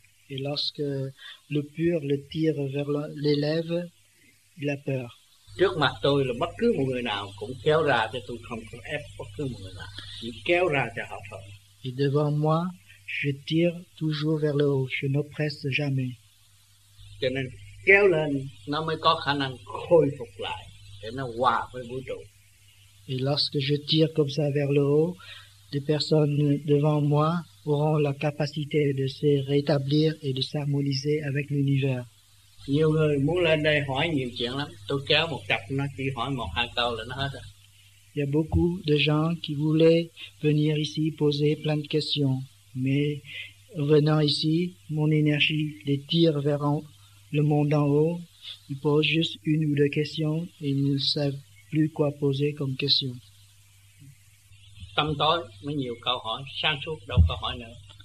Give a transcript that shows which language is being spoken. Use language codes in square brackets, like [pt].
[fr] Et lorsque le pur le tire vers l'élève, il a peur. [vi] Trước mặt tôi là bất cứ một người nào cũng kéo ra cho tôi, không có ép bất cứ một người nào, chỉ kéo ra cho họ thôi. [fr] Et devant moi, je tire toujours vers le haut, je n'oppresse jamais. [vi] Cho nên kéo lên, nó mới có khả năng khôi phục lại, để nó hòa với vũ trụ. [fr] Et lorsque je tire comme ça vers le haut, des personnes devant moi auront la capacité de se rétablir et de s'harmoniser avec l'univers. [vi] Nhiều người muốn lên đây hỏi nhiều chuyện lắm. Tôi kéo một cặp, nó chỉ hỏi một hai câu là nó hết rồi. [fr] Il y a beaucoup de gens qui voulaient venir ici poser plein de questions. Mais venant ici, mon énergie les tire vers le monde en haut. Ils posent juste une ou deux questions et ils ne savent plus quoi poser comme question. [vi] Tâm tối mới nhiều câu hỏi, sáng suốt đâu câu hỏi nữa.